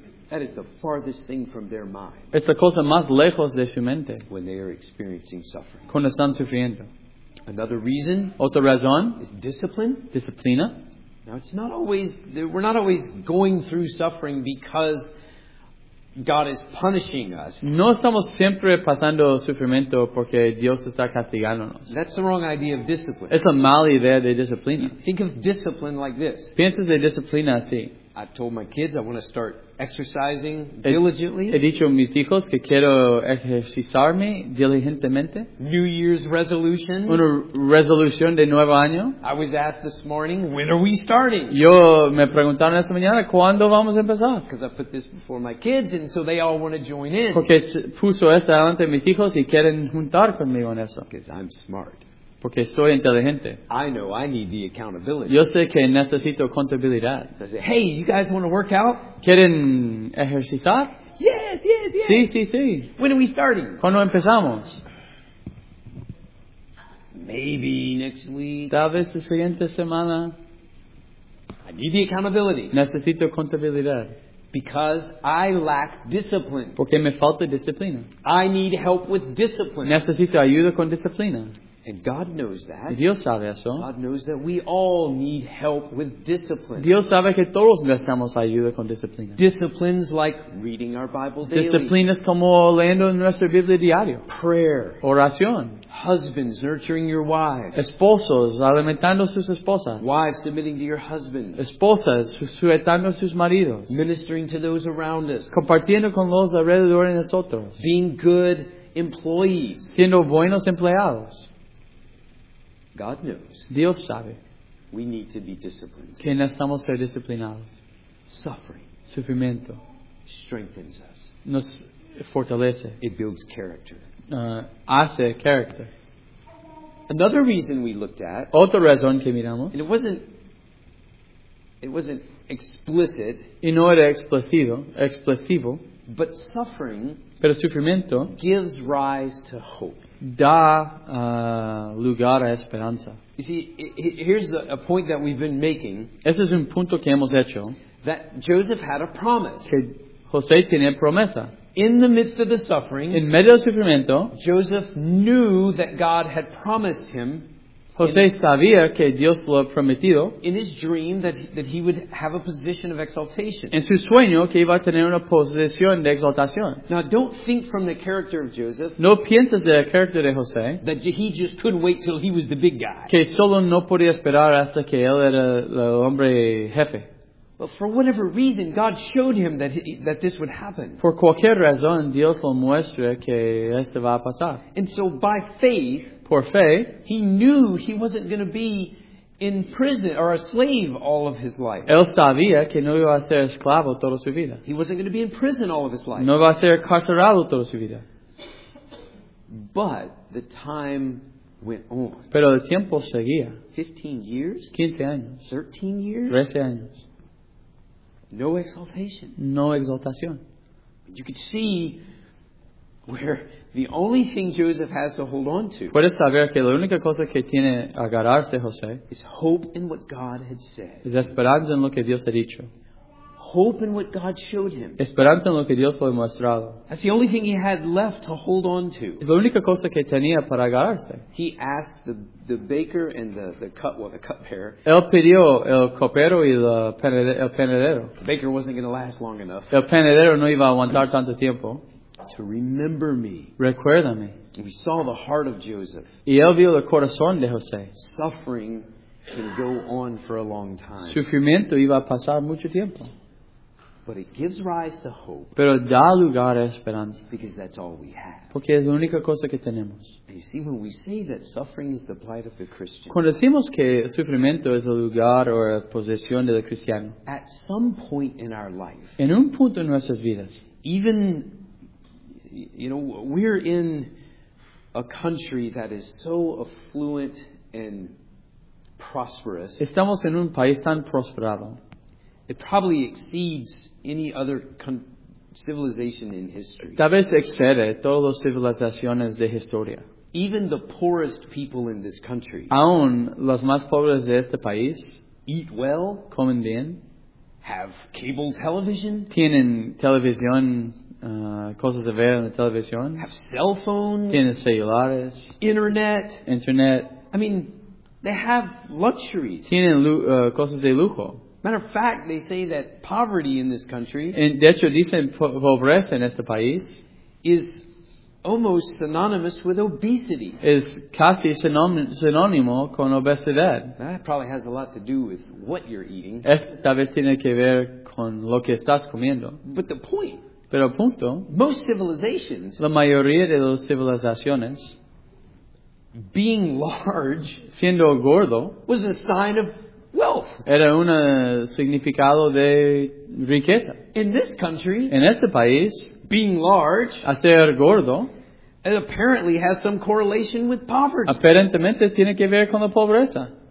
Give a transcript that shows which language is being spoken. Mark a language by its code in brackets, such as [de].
[en] That is the farthest thing from their mind. [es] Es la cosa más lejos de su mente. [en] When they are experiencing suffering. [es] Cuando están sufriendo. [en] Another reason, [es] otra razón, [en] is discipline. [es] Disciplina. [en] Now it's not always, we're not always going through suffering because God is punishing us. [es] No estamos siempre pasando sufrimiento porque Dios está castigándonos. [en] That's the wrong idea of discipline. [es] Es la mala idea de disciplina. [en] Think of discipline like this. [es] Piensas de disciplina así. [en] I told my kids I want to start exercising diligently. [es] He dicho a mis hijos que quiero ejercitarme diligentemente. [en] New Year's resolution. [es] Una resolución de nuevo año. [en] I was asked this morning, when are we starting? [es] Yo me preguntaron esta mañana, ¿cuándo vamos a empezar? [en] Because I put this before my kids, and so they all want to join in. [es] Porque puso esto delante de mis hijos y quieren juntar conmigo en eso. [en] Because I'm smart. [es] Porque soy inteligente. [en] I know I need the accountability. [es] Yo sé que necesito contabilidad. [en] I say, hey, you guys want to work out? [es] ¿Quieren ejercitar? [en] Yes. [es] Sí. [en] When are we starting? [es] ¿Cuándo empezamos? [en] Maybe next week. [es] Tal vez la siguiente semana. [en] I need the accountability. [es] Necesito contabilidad. [en] Because I lack discipline. [es] Porque me falta disciplina. [en] I need help with discipline. [es] Necesito ayuda con disciplina. [en] And God knows that. [es] Dios sabe eso. [en] God knows that we all need help with discipline. [es] Dios sabe que todos necesitamos ayuda con disciplina. [en] Disciplines like reading our Bible daily. [es] Disciplinas como leyendo nuestra Biblia diario. [en] Prayer. [es] Oración. [en] Husbands nurturing your wives. [es] Esposos alimentando sus esposas. [en] Wives submitting to your husbands. [es] Esposas sujetando sus maridos. [en] Ministering to those around us. [es] Compartiendo con los alrededor de nosotros. [en] Being good employees. [es] Siendo buenos empleados. [en] God knows. [es] Dios sabe. [en] We need to be disciplined. [es] Que necesitamos ser disciplinados. [en] Suffering. [es] Sufrimiento. [en] Strengthens us. [es] Nos fortalece. [en] It builds character. [es] Hace character. [en] Another reason we looked at. [es] Otra razón que miramos. [en] And it wasn't explicit. [es] Y no era explícito. Explicivo. [en] But suffering. [es] Pero sufrimiento. [en] Gives rise to hope. [es] Da lugar a esperanza. [en] You see, here's a point that we've been making. [es] Ese es un punto que hemos hecho. [en] That Joseph had a promise. [es] Que José tenía promesa. [en] In the midst of the suffering, [es] en medio del sufrimiento, [en] Joseph knew that God had promised him. [es] José sabía que Dios lo ha prometido. [en] In his dream that he would have a position of exaltation. [es] En su sueño que iba a tener una posición de exaltación. [en] Now don't think from the character of Joseph. [es] No pienses del carácter de José. [en] That he just couldn't wait till he was the big guy. [es] Que solo no podía esperar hasta que él era el hombre jefe. [en] But for whatever reason, God showed him that this would happen. [es] Por cualquier razón, Dios lo muestra que esto va a pasar. [en] And so by faith. [es] Por fe, [en] he knew he wasn't going to be in prison or a slave all of his life. [es] Él sabía que no iba a ser esclavo toda su vida. [en] He wasn't going to be in prison all of his life. [es] No iba a ser carcerado toda su vida. [en] But the time went on. [es] Pero el tiempo seguía. [en] 15 years? [es] 15 años. [en] 13 years? [es] 13 años. [en] No exaltation. [es] No exaltación. [en] You could see where the only thing Joseph has to hold on to. [es] Puedes saber que la única cosa que tiene agarrarse José [en] is hope in what God had said. [es] Es esperanza en lo que Dios ha dicho. [en] Hope in what God showed him. [es] Esperanza en lo que Dios le ha mostrado. [en] That's the only thing he had left to hold on to. [es] Es la única cosa que tenía para agarrarse. [en] He asked the baker and the cupbearer. [es] Él pidió el copero y el panadero. [en] The baker wasn't going to last long enough. [es] El panadero no iba a aguantar tanto tiempo. [en] To remember me. [es] Recuérdame. [en] We saw the heart of Joseph. [es] Y él vio el corazón de José. [en] Suffering can go on for a long time. [es] Sufrimiento iba a pasar mucho tiempo. [en] But it gives rise to hope. [es] Pero da lugar a esperanza. [en] Because that's all we have. [es] Porque es la única cosa que tenemos. [en] You see, when we say that suffering is the plight of the Christian. [es] Cuando decimos que sufrimiento es el lugar o la posesión del cristiano. [en] At some point in our life. [es] En un punto en nuestras vidas. [en] Even, you know, we're in a country that is so affluent and prosperous. [es] Estamos en un país tan prosperado. [en] It probably exceeds any other civilization in history. [es] Tal vez excede todas las civilizaciones de historia. [en] Even the poorest people in this country. [es] Aún los más pobres de este país. [en] Eat well. [es] Comen bien. [en] Have cable television. [es] Tienen televisión. Cosas de ver en la televisión. [en] Have cell phones. [es] Tienen celulares. [en] Internet. [es] Internet. [en] I mean, they have luxuries. [es] Tienen cosas de lujo. [en] Matter of fact, they say that poverty in this country, [es] and de hecho dicen pobreza en este país, [en] is almost synonymous with obesity. [es] Es casi sinónimo con obesidad. [en] That probably has a lot to do with what you're eating. [es] Tal vez tiene que ver con lo que estás comiendo. [en] But the point. [es] Pero el punto. [en] Most civilizations. [es] La mayoría de las civilizaciones. [en] Being large. [es] Siendo gordo. [en] Was a sign of. [es] Era un significado de riqueza. [en] In this country, [es] en este país, [en] being large, [es] ser gordo, [en] it apparently has some correlation with poverty. [es] Aparentemente tiene que ver con la pobreza.